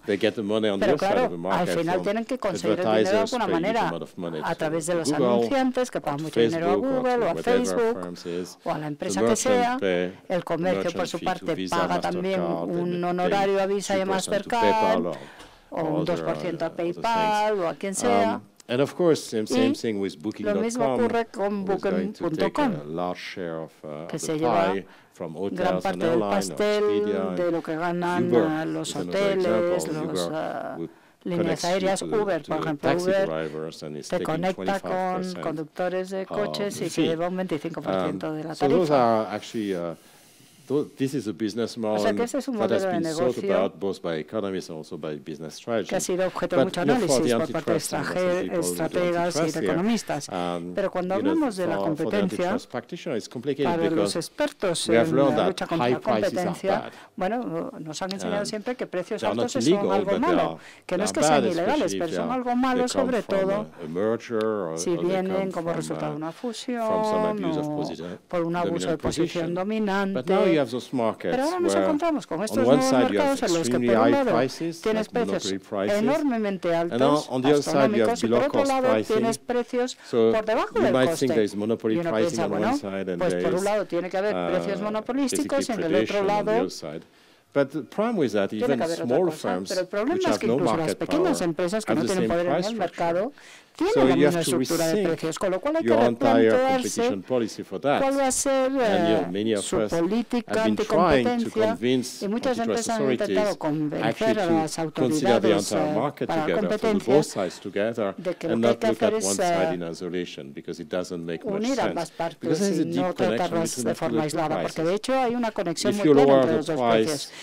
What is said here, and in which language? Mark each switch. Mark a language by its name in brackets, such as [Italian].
[Spanish] Pero claro, al final tienen que conseguir el dinero de alguna manera, a través de los anunciantes que pagan mucho dinero a Google o a Facebook o a la empresa que sea. El comercio, por su parte, paga también un honorario a Visa y a Mastercard o un 2% a PayPal o a quien sea. [English] And of course, same thing with Booking.com. [Spanish] Lo mismo ocurre con Booking.com, que se lleva gran parte del pastel de lo que ganan los hoteles, los líneas aéreas, Uber, por ejemplo, Uber te conecta con conductores de coches y se lleva un 25% de la tarifa. [English] This is a business model, [Spanish] o sea, que este es un modelo de negocio [English] both by economists and also by business strategy. [Spanish] Que ha sido objeto de mucho análisis por parte de estrategas y de economistas. Pero cuando hablamos de la competencia, para los expertos en la lucha contra la competencia, bueno, nos han enseñado siempre que precios altos son algo malo, que no es que sean ilegales, pero son algo malo, sobre todo si vienen como resultado de una fusión o por un abuso de posición dominante. [English] You have those markets. [Spanish] Pero ahora nos encontramos con estos nuevos mercados en los que, por un lado, tienes precios enormemente altos, astronómicos, y por otro lado, tienes precios por debajo del coste. Y uno piensa, bueno, pues por un lado tiene que haber precios monopolísticos y en el otro lado. [English] But the problem with that, even small firms, [Spanish] pero el problema es que incluso las pequeñas empresas que no tienen poder en el mercado tienen la misma estructura de precios, con lo cual hay que replantearse cuál va a ser su política anticompetencia. Y muchas empresas han intentado convencer a las autoridades para la competencia de que lo que hay que hacer es unir ambas partes y no tratarlas de forma aislada, porque de hecho hay una conexión muy clara entre los dos precios.